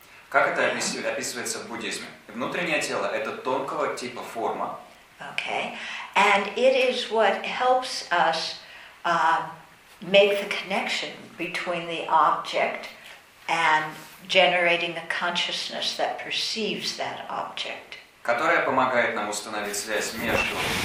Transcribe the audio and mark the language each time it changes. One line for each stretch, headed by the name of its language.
Russian: Как это описывается в буддизме? Внутреннее тело – это тонкого типа форма.
English: Okay. And it is what helps us make the connection between the object and generating a consciousness that perceives that object.
Russian: Которая помогает нам установить связь между